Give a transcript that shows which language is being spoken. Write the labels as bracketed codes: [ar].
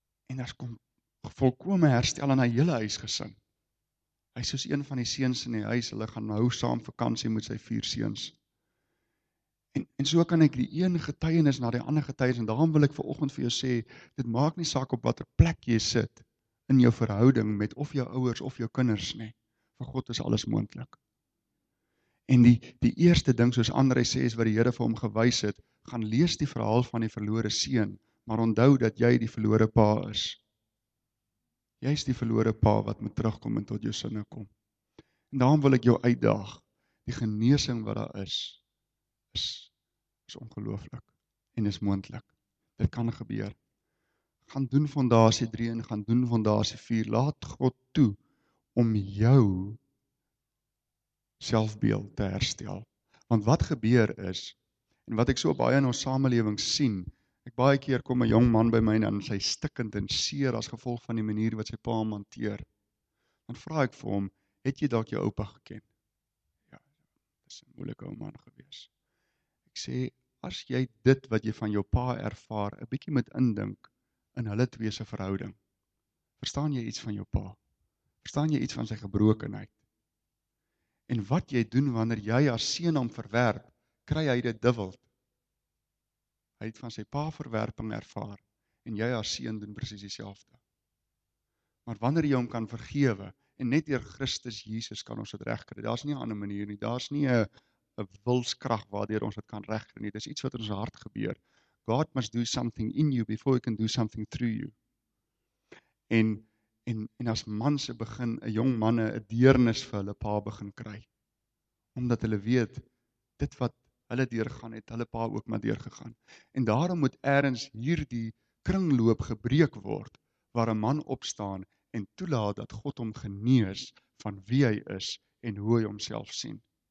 [af] En daar's kom volkome herstel aan haar hele huisgesin. Hy is soos een van die seuns in die huis, hulle gaan nou saam vakansie met sy 4 seuns. En so kan ek die een getuienis na die ander getuienis, en daarom wil ek vanoggend vir jou sê, dit maak nie saak op watter plek jy sit in jou verhouding met of jou ouers of jou kinders nie. Vir God is alles moontlik. En die eerste ding, soos Andre sê, is wat die Here vir hom gewys het, gaan lees die verhaal van die verlore seun. Maar onthou dat jy die verlore pa is. Jy is die verlore pa wat moet terugkom en tot jou sinne kom. En daarom wil ek jou uitdaag. Die genesing wat daar is, is ongelooflik en is moontlik. Dit kan gebeur. Gaan doen fondasie 3 en gaan doen fondasie 4. Laat God toe om jou selfbeeld te herstel. Want wat gebeur is, en wat ek so baie in ons samelewing sien, baie keer kom 'n jong man by my en dan sy stikkend en seer as gevolg van die manier wat sy pa hom hanteer. Dan vra ek vir hom, het jy dalk jou oupa geken? Ja, dis 'n moeilike ou man gewees. Ek sê, as jy dit wat jy van jou pa ervaar, 'n bietjie met indink in hulle twee se verhouding. Verstaan jy iets van jou pa? Verstaan jy iets van sy gebrokenheid? En wat jy doen wanneer jy haar seun hom verwerp, kry hy dit dubbel. Hy het van sy pa verwerping ervaar en jy as seun doen presies dieselfde. Maar wanneer jy hom kan vergewe en net deur Christus Jesus kan ons dit regkry. Daar's nie 'n ander manier nie. Daar's nie 'n wilskrag waardeur ons dit kan regkry nie. Dis iets wat in ons hart gebeur. [en] God must do something in you before he can do something through you. [af] En as manse begin 'n jong manne 'n deernis vir hulle pa begin kry omdat hulle weet dit wat hulle deurgaan het, hulle pa ook maar deurgegaan. En daarom moet ergens hierdie kringloop gebreek word waar 'n man opstaan en toelaat dat God hom genees van wie hy is en hoe hy homself sien.